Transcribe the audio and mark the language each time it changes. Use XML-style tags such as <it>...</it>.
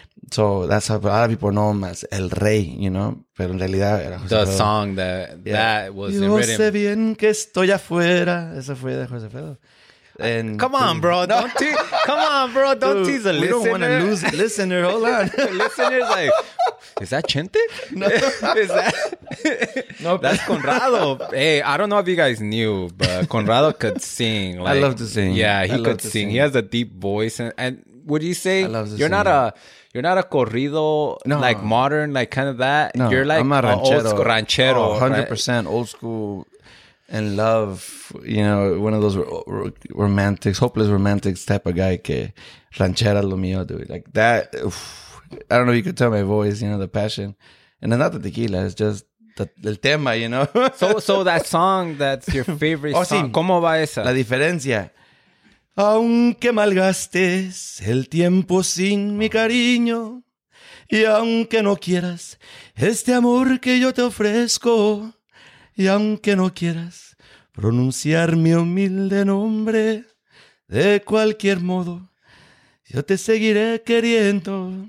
<en>So that's how a lot of people know him as El Rey, you know?</en> <es>Pero en realidad era José</es> <en>Alfredo. The song that was in rhythm.</en> <es>Yo sé bien que estoy afuera. Eso fue de José Alfredo.</es> <en>Come on, bro. Don't tease a listener. We don't want to lose a listener. Hold on. The listener's like, is that Chente? No. Is that? No. That's Conrado. Hey, I don't know if you guys knew, but Conrado could sing. Like, I love to sing. Yeah, he could sing. He has a deep voice. And what do you say? I love to You're sing. You're not a corrido, no. Like modern, like kind of that. No, you're like I'm a ranchero. Old ranchero. Oh, 100% right? Old school and love, you know, one of those romantics, hopeless romantics type of guy</en> <es>que ranchera lo mío,</es> <en>dude. Like that, oof, I don't know if you could tell my voice, you know, the passion. And it's not the tequila, it's just</en> <es>el tema,</es> <en>you know. So that song that's your favorite oh, song,</en> <es>sí. ¿Cómo va esa? La Diferencia. Aunque malgastes el tiempo sin mi cariño, y aunque no quieras este amor que yo te ofrezco, y aunque no quieras pronunciar mi humilde nombre, de cualquier modo, yo te seguiré queriendo.</es>